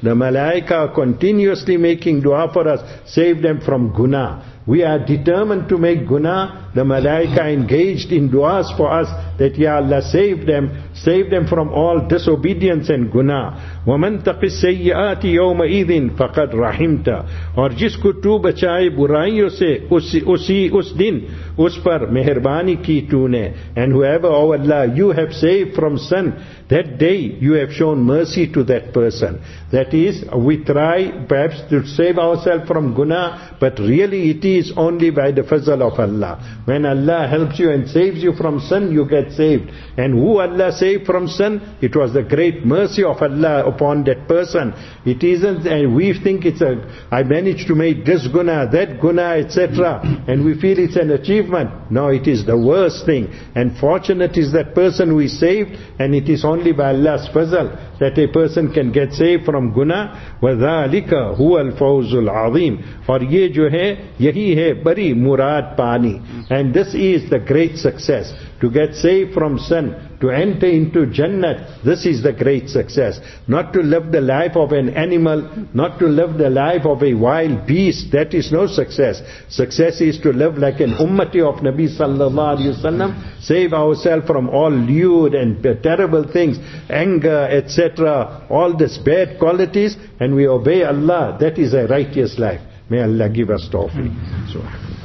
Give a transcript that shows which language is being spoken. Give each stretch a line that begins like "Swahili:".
English: The malaika are continuously making dua for us. Save them from guna. We are determined to make guna. The malaika engaged in duas for us, that Ya Allah, save them from all disobedience and guna.
Arabic: وَمَنْ تَقِ السَّيِّئَاتِ يَوْمَ إِذٍ فَقَدْ رَحِمْتَ.
Urdu: اور جس کو تو بچائے برائیوں سے اس دن اس پر مہربانی کی تو نے.
English: And whoever, oh Allah, you have saved from sin, that day you have shown mercy to that person. That is, we try perhaps to save ourselves from guna, but really it is only by the fazl of Allah. When Allah helps you and saves you from sin, you get saved. And who Allah saved from sin? It was the great mercy of Allah upon that person. It isn't, and we think it's a, I managed to make this guna, that guna, etc. And we feel it's an achievement. No, it is the worst thing. And fortunate is that person we saved, and it is only by Allah's fazl that a person can get saved from guna.
Arabic: وَذَلِكَ هُوَ الْفَوْزُ الْعَظِيمُ.
Urdu: اور یہ جو ہے یہی ہے بری مراد پانی.
English: And this is the great success. To get saved from sin, to enter into Jannah, this is the great success. Not to live the life of an animal, not to live the life of a wild beast, that is no success. Success is to live like an ummati of Nabi sallallahu alayhi wa sallam, save ourselves from all lewd and terrible things, anger, etc., all these bad qualities, and we obey Allah. That is a righteous life. May Allah give us tawfiq.